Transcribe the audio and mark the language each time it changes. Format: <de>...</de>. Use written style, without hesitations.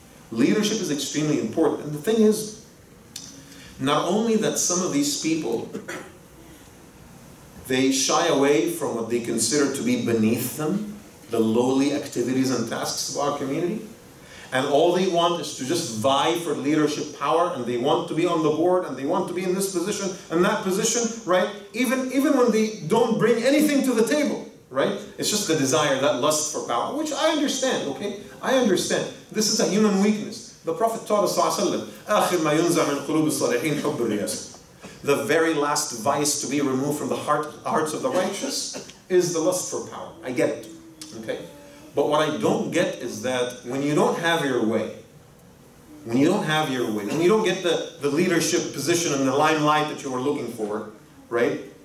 <en>Leadership is extremely important. And the thing is, not only that some of these people, they shy away from what they consider to be beneath them, the lowly activities and tasks of our community, and all they want is to just vie for leadership power, and they want to be on the board, and they want to be in this position and that position, right? Even when they don't bring anything to the table, right? It's just the desire, that lust for power, which I understand, okay? I understand. This is a human weakness. The Prophet taught us,</en> <ar>آخر ما ينزع من قلوب الصالحين حب الرياسة.</ar> <en>The very last vice to be removed from the hearts of the righteous is the lust for power. I get it, okay? But what I don't get is that when you don't have your way, when you don't have your way, when you don't get the leadership position and the limelight that you were looking for, right?</en>